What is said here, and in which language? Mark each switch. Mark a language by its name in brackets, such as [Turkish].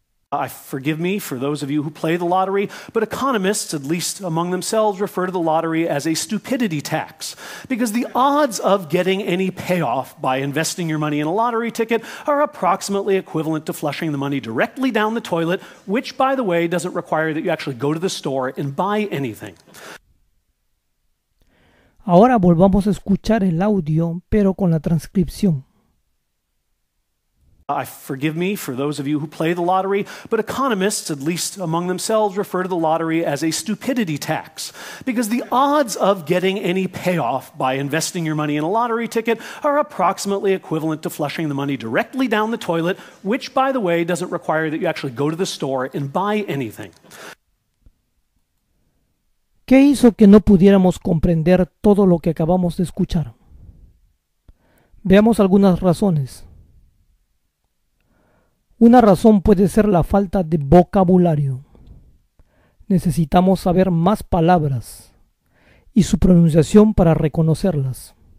[English] Forgive me for those of you who play the lottery, but economists, at least among themselves, refer to the lottery as a stupidity tax, because the odds of getting any payoff by investing your money in a lottery ticket are approximately equivalent to flushing the money directly down the toilet, which, by the way, doesn't require that you actually go to the store and buy anything. [Spanish] Ahora volvamos a escuchar el audio, pero con la transcripción. [English] Forgive me for those of you who play the lottery, but economists, at least among themselves, refer to the lottery as a stupidity tax, because the odds of getting any payoff by investing your money in a lottery ticket are approximately equivalent to flushing the money directly down the toilet, which, by the way, doesn't require that you actually go to the store and buy anything. [Spanish] ¿Qué hizo que no pudiéramos comprender todo lo que acabamos de escuchar? Veamos algunas razones. Una razón puede ser la falta de vocabulario. Necesitamos saber más palabras y su pronunciación para reconocerlas.